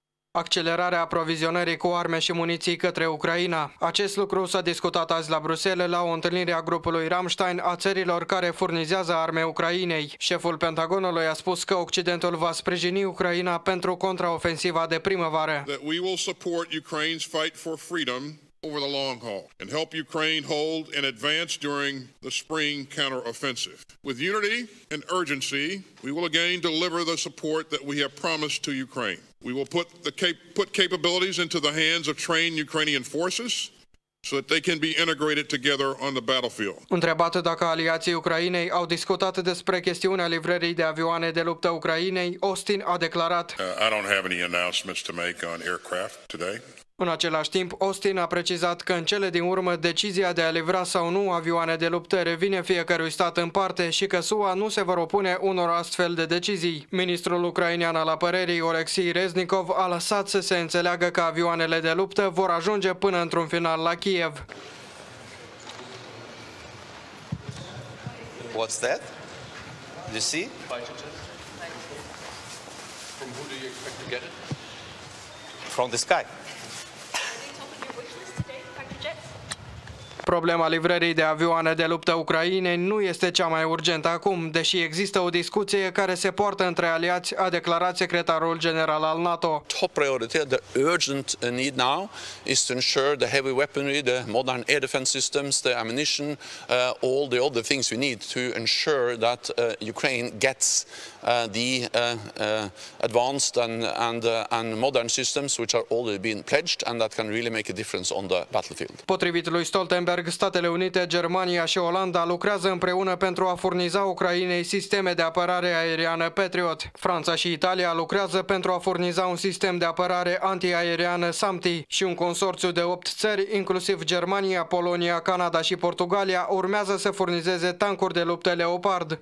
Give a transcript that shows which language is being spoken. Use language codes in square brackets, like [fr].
[ro] Accelerarea aprovizionării cu arme și muniții către Ucraina. Acest lucru s-a discutat azi la Bruxelles la o întâlnire a grupului Rammstein a țărilor care furnizează arme Ucrainei. Șeful Pentagonului a spus că Occidentul va sprijini Ucraina pentru contraofensiva de primăvară. [en] That we will support Ukraine's fight for freedom over the long haul and help Ukraine hold and advance during the spring counteroffensive. With unity and urgency, we will again deliver the support that we have promised to Ukraine. We will put capabilities into the hands of trained Ukrainian forces so that they can be integrated together on the battlefield. [ro] Întrebat dacă aliații Ucrainei au discutat despre chestiunea livrării de avioane de luptă Ucrainei, Austin a declarat: [en] I don't have any announcements to make on aircraft today. [ro] În același timp, Austin a precizat că în cele din urmă decizia de a livra sau nu avioane de luptă revine fiecărui stat în parte și că SUA nu se vor opune unor astfel de decizii. Ministrul ucrainean al apărării, Oleksii Reznikov, a lăsat să se înțeleagă că avioanele de luptă vor ajunge până într-un final la Kiev. [en] What's that? You see? From who do you expect to get it? From the sky. [ro] Problema livrării de avioane de luptă Ucrainei nu este cea mai urgentă acum, deși există o discuție care se poartă între aliați, a declarat secretarul general al NATO. [en] Top priority, the urgent need now is to ensure the heavy weaponry, the modern air defense systems, the ammunition, all the other things we need to ensure that Ukraine gets advanced and modern systems which are already been pledged and that can really make a difference on the battlefield. [ro] Potrivit lui Stoltenberg, Bloomberg, Statele Unite, Germania și Olanda lucrează împreună pentru a furniza Ucrainei sisteme de apărare aeriană Patriot. Franța și Italia lucrează pentru a furniza un sistem de apărare antiaeriană SAMTI și un consorțiu de 8 țări, inclusiv Germania, Polonia, Canada și Portugalia, urmează să furnizeze tancuri de luptă Leopard.